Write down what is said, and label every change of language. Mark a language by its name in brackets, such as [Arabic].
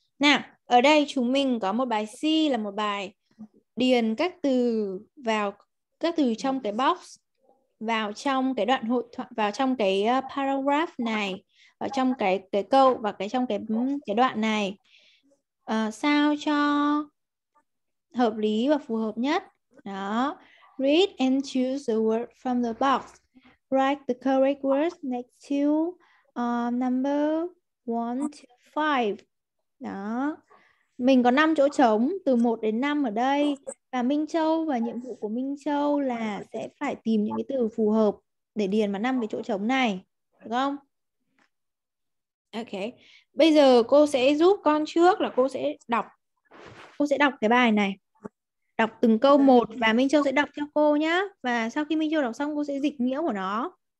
[Vietnamese] Now, ở đây chúng mình có một bài C, là một bài điền các từ vào, các từ trong cái box vào trong cái đoạn hội thoại, vào trong cái paragraph này, ở trong cái câu và cái trong cái đoạn này sao cho hợp lý và phù hợp nhất. Đó. [English] Read and choose the word from the box. Write the correct words next to number 1 to 5. [Vietnamese] Đó. Mình có 5 chỗ trống từ 1 đến 5 ở đây, và Minh Châu, và nhiệm vụ của Minh Châu là sẽ phải tìm những cái từ phù hợp để điền vào 5 cái chỗ trống này, được không? Ok, bây giờ cô sẽ giúp con trước, là cô sẽ đọc cái bài này, đọc từng câu một, và Minh Châu sẽ đọc cho cô nhá, và sau khi Minh Châu đọc xong cô sẽ dịch nghĩa của nó.